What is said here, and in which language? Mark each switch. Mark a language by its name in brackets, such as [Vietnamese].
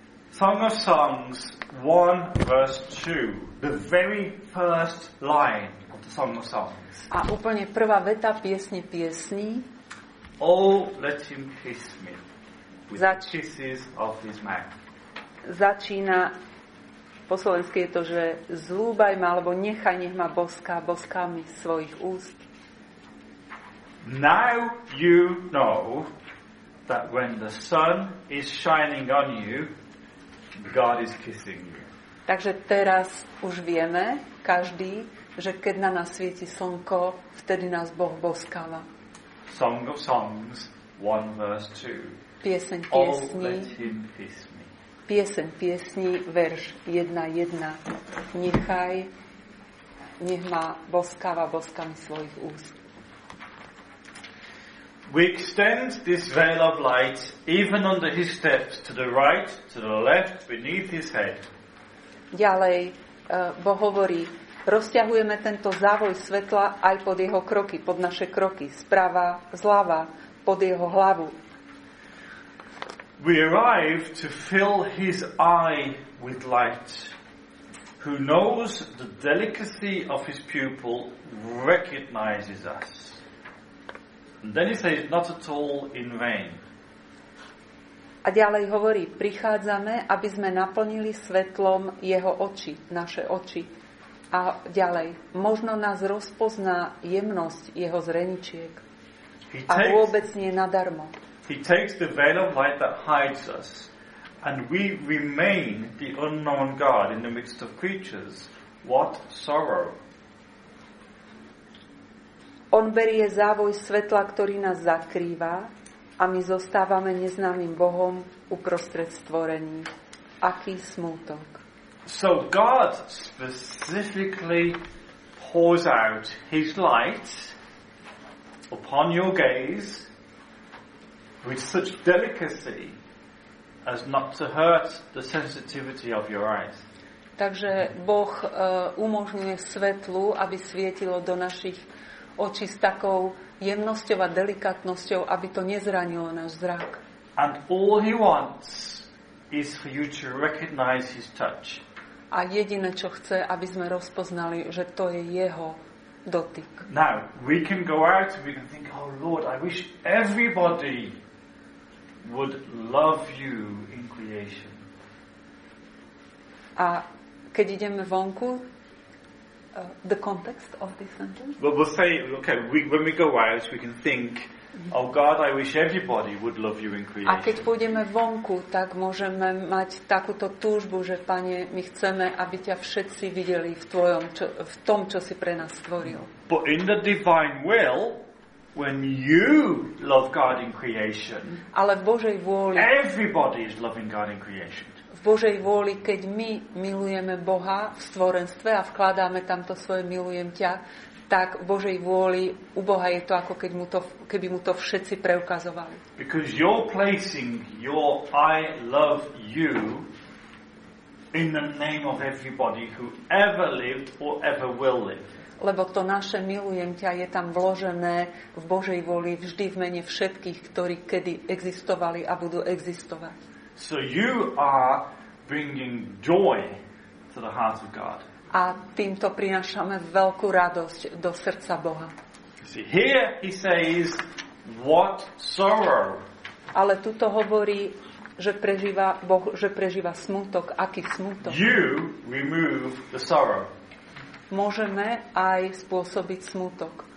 [English] Song of Songs 1 verse 2, the very first line of the Song of Songs. [Slovak] A úplne prvá veta piesne piesní. [English] Oh, let him kiss me with the kisses of his mouth. [Slovak] Začína, po slovensky je to, že zľúbaj ma, alebo nechaj, nech ma boská boskami svojich úst. [English] Now you know that when the sun is shining on you, God is kissing you. [Slovak] Takže teraz už vieme, každý, že keď na nás svieti slnko, vtedy nás Boh boskáva. [English] Song of Songs, 1 verse 2. [Slovak] Pieseň piesní. [English] Oh, let him kiss me. [Slovak] Pieseň piesní, verš 1:1. Nechaj, nech ma boskáva boskami svojich úst. [English] We extend this veil of light even under his steps, to the right, to the left, beneath his head. [Slovak] Ďalej, Boh hovorí, rozťahujeme tento závoj svetla aj pod jeho kroky, pod naše kroky, zprava, zľava, pod jeho hlavu. [English] We arrive to fill his eye with light, who knows the delicacy of his pupil, recognizes us. And then he says, not at all in vain. [Slovak] A ďalej hovorí, prichádzame, aby sme naplnili svetlom jeho oči, naše oči. A ďalej, možno nás rozpozná jemnosť jeho zreničiek. A vôbec nie nadarmo. [English] He takes the veil of light that hides us, and we remain the unknown God in the midst of creatures. What sorrow! [Slovak] On berie závoj svetla, ktorý nás zakrýva, a my zostávame neznámym Bohom uprostred stvorení. Aký smútok. [English] So God specifically pours out his light upon your gaze with such delicacy as not to hurt the sensitivity of your eyes. [Slovak] Takže Boh umožňuje svetlu, aby svietilo do našich oči s takou jemnosťou a delikatnosťou, aby to nezranilo náš zrak. [English] And all he wants is for you to recognize his touch. [Slovak] A jediné, čo chce, aby sme rozpoznali, že to je jeho dotyk. [English] Now, we can go out and we can think, oh Lord, I wish everybody would love you in creation. [Slovak] A keď ideme vonku, [English] the context of this sentence? Well, we'll say, okay, when we go out, we can think, oh God, I wish everybody would love you in creation. [Slovak] A keď pôjdeme vonku, tak môžeme mať takúto túžbu, že Pane, my chceme, aby ťa všetci videli v tom, čo si pre nás stvoril. [English] But in the divine will, when you love God in creation, [Slovak] ale v Božej vôli, [English] everybody is loving God in creation. [Slovak] V Božej vôli, keď my milujeme Boha v stvorenstve a vkladáme tamto svoje milujem ťa, tak v Božej vôli u Boha je to ako keby mu to všetci preukazovali. [English] Because you're placing your I love you in the name of everybody who ever lived or ever will live. [Slovak] Lebo to naše milujem ťa je tam vložené v Božej vôli vždy v mene všetkých, ktorí kedy existovali a budú existovať. [English] So you are bringing joy to the heart of God. [Slovak] A týmto prinášame veľkú radosť do srdca Boha. [English] See, here he says, what sorrow. [Slovak] Ale tuto hovorí, že prežíva Boh, že prežíva smútok, aký smútok. [English] You remove the sorrow. [Slovak] Môžeme aj spôsobiť smútok.